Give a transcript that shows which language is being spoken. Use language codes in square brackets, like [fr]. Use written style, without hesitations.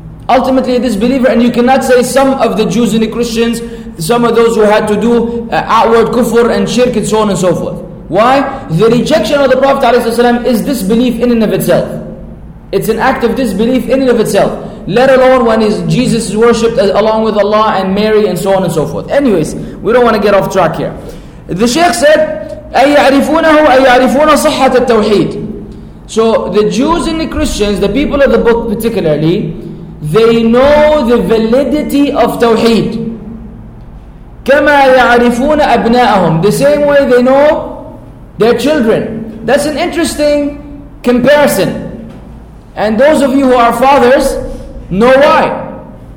[en] Ultimately a disbeliever, and you cannot say some of the Jews and the Christians, some of those who had to do outward kufr and shirk and so on and so forth. Why? The rejection of the Prophet ﷺ is disbelief in and of itself. It's an act of disbelief in and of itself. Let alone when Jesus is worshipped along with Allah and Mary and so on and so forth. Anyways, we don't want to get off track here. The Shaykh said, [ar] أَيَّعْرِفُونَهُ أَيَّعْرِفُونَ صَحَّةَ التَّوْحِيدِ. [en] So the Jews and the Christians, the people of the book particularly, they know the validity of Tawheed. [ar] كَمَا يَعْرِفُونَ أَبْنَاءَهُمْ. [en] The same way they know their children. That's an interesting comparison. And those of you who are fathers know why.